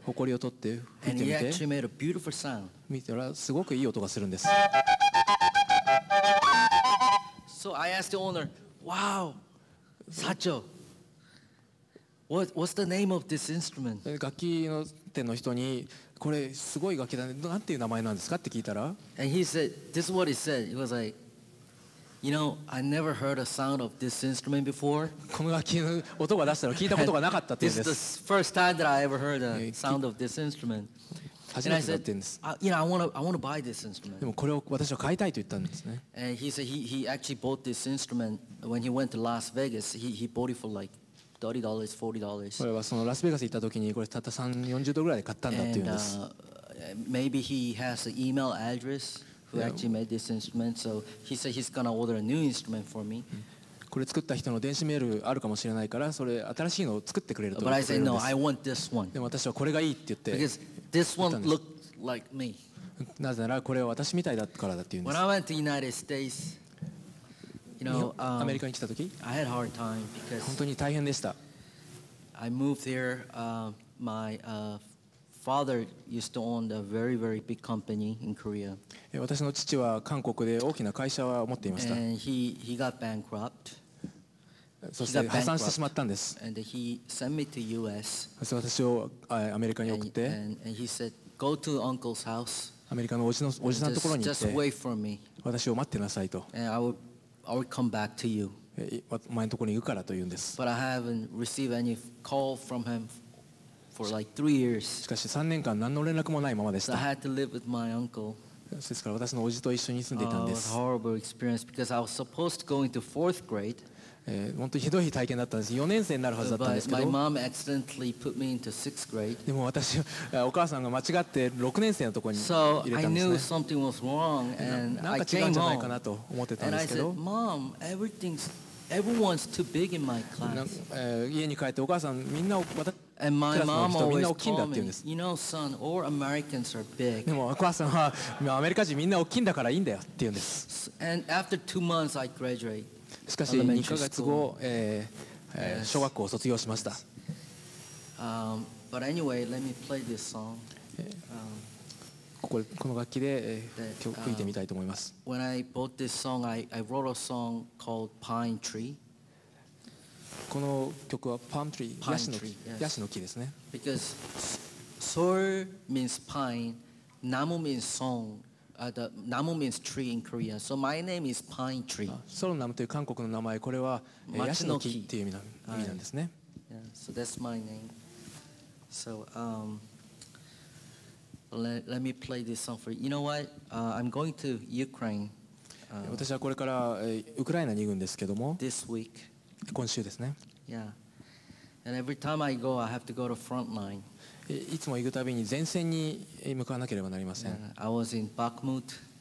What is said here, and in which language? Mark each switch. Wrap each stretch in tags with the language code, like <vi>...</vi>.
<ja>ほこりを取って吹いてみて。</ja> <en>And it actually made a beautiful sound.</en> <ja>見たらすごくいい音がするんです。</ja> <en>So I asked the owner, "Wow, Sacho, what's the name of this instrument?"</en> <ja>楽器の店の人にこれすごい楽器だね。なんていう名前なんですかって聞いたら、</ja> <en>And he said, "This is what he said. He was like, you know, I never heard a sound of this instrument before."</en> <ja>この楽器の音が出したの聞いたことがなかったって言うんです。</ja> <en>This is the first time that I ever heard a sound of this instrument.</en> <ja>初めてだって言うんです。</ja> <en>You know, I want to buy this instrument.</en> <ja>でもこれを私は買いたいと言ったんですね。</ja> <en>And he said he actually bought this instrument when he went to Las Vegas. He bought it for like $30, $40.</en> <ja>これはそのラスベガス行った時にこれたった $30-$40ぐらいで買ったんだって言うんです。</ja> <en>Maybe he has an email address who actually made this instrument. So he said he's gonna order a new instrument for me.</en> <ja>これ作った人の電子メールあるかもしれないから、それ新しいのを作ってくれると言ってくれるんです。</ja> <en>But I said no, I want this one.</en> <ja>でも私はこれがいいって言って。</ja> <en>This one looked like me.</en> <ja>なぜならこれは私みたいだからだって言うんです</ja> <en>。When I went to the United States, you know,</en> <ja>アメリカに来た時、</ja> <en>I had a hard time because</en> <ja>本当に大変でした。</ja> <en>I moved there. My father used to own a very, very big company in Korea.</en> <ja>私の父は韓国で大きな会社を持っていました。</ja> <en>And he got bankrupt.</en> <ja>そして破産してしまったんです。</ja> <en>And he sent me to U.S.</en> <ja>そして私をアメリカに送って、</ja> <en>and he said, "Go to uncle's house."</en> <ja>アメリカのおじさんのところに行って、</ja> <en>just wait for me.</en> <ja>私を待ってなさいと。</ja> <en>And I will come back to you.</en> <ja>お前のところに行くからと言うんです。</ja> <en>But I haven't received any call from him. For like 3 years.</en> <ja>しかし3年間何の連絡もないままでした。</ja> <en>So、I had to live with my uncle.</en> <ja>ですから私のおじと一緒に住んでいたんです。</ja> <en>It was a horrible experience because I was supposed to go into fourth grade.</en> <ja>本当にひどい体験だったんです。4年生になるはずだったんですけど。</ja> <en>But my mom accidentally put me into sixth grade.</en> <ja>でも私、お母さんが間違って6年生のところに入れたんですね。</ja> <en>So I knew something was wrong and I came home.</en> <ja>なんか違うんじゃないかなと思ってたんですけど。</ja> <en>And I said, "Mom, everyone's too big in my class."</en> <ja>家に帰ってお母さんみんな私</ja> <en>And my mom always told me, "You know, son, all Americans are big."</en> <ja>でもお母さんはアメリカ人みんな大きいんだからいいんだよって言うんです。</ja> <en>And after 2 months, I graduate.</en> <ja>しかし2ヶ月後、小学校を卒業しました。</ja> <en>But anyway, let me play this song.</en> <ja>この楽器で曲吹いてみたいと思います。</ja> <en>When I bought this song, I wrote a song called Pine Tree.</en> <ja>この曲はパームトリー、ヤシの木、ヤシの木ですね。</ja> <en>Because soul means pine, namu means song, the namu means tree in Korean. So my name is Pine Tree.</en> <ja>ソロナムという韓国の名前、これはヤシの木っていう意味なんですね。</ja> <en>Yeah, so that's my name. So let me play this song for you. You know what? I'm going to Ukraine.</en> <ja>私はこれからウクライナに行くんですけども。</ja> <en>This week.</en> <ja>今週ですね。</ja> <en>Yeah. And every time I go, I have to go to front line.</en> <ja>いつも行くたびに前線に向かわなければなりません。</ja> <en>Yeah. I was in Bakhmut.</en>